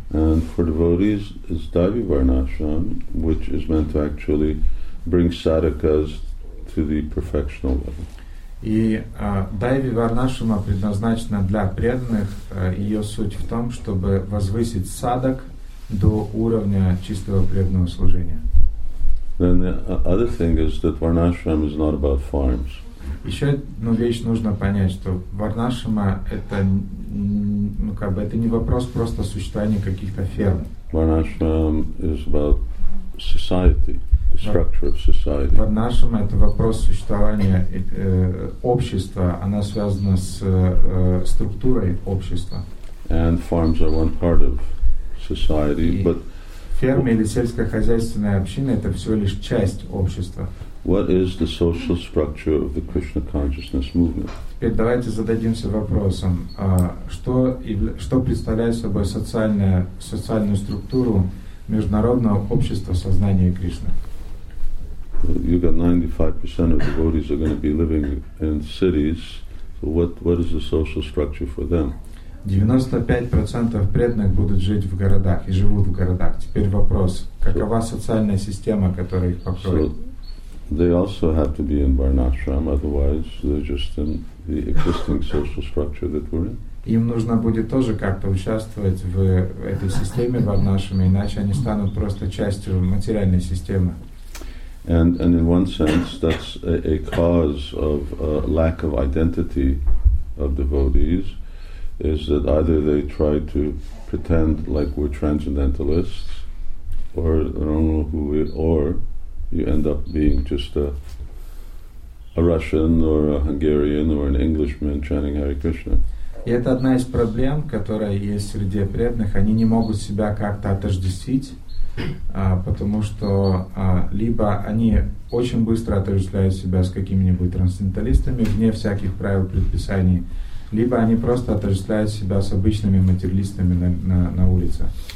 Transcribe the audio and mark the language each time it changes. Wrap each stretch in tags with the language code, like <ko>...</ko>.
<en>And for devotees, it's Divi Varnashram, which is meant to actually bring sadhakas to the perfectional level.</en> <ru>И Дайви Варнашрама предназначена для преданных. Ее суть в том, чтобы возвысить садак до уровня чистого преданного служения.</ru> <en>Then the other thing is that Varnashram is not about forms.</en> <ru>Еще одну вещь нужно понять, что Варнашрама это, ну, как бы это не вопрос просто существования каких-то ферм.</ru> <en>Varnashram is about society. Structure of society.</en> <ru>Варнашрама это вопрос существования общества, она связана с структурой общества.</ru> <en>And farms are one part of society, but</en> <ru>фермы или сельскохозяйственная община это всего лишь часть общества.</ru> <en>What is the social structure of the Krishna consciousness movement?</en> <ru>Теперь давайте зададимся вопросом, что представляет собой социальную структуру международного общества сознания Кришны?</ru> <en>You got 95% of devotees are going to be living in cities. So what is the social structure for them?</en> <ru>95% преданных будут жить в городах и живут в городах. Теперь вопрос: какова социальная система, которая их покроет?</ru> <en>So they also have to be in Varnashram, otherwise they're just in the existing social structure that we're in.</en> <ru>Им нужно будет тоже как-то участвовать в этой системе Варнашрам, иначе они станут просто частью материальной системы.</ru> <en>And in one sense, that's a cause of lack of identity of devotees, is that either they try to pretend like we're transcendentalists, or I don't know who we are, you end up being just a Russian or a Hungarian or an Englishman chanting Hare Krishna.</en> <ru>И это одна из проблем, которая есть среди преданных. Они не могут себя как-то отождествить. Потому что либо они очень быстро отождествляют себя с какими-нибудь трансценденталистами вне всяких правил предписаний, либо они просто отождествляют себя с обычными материалистами на улице.</ru>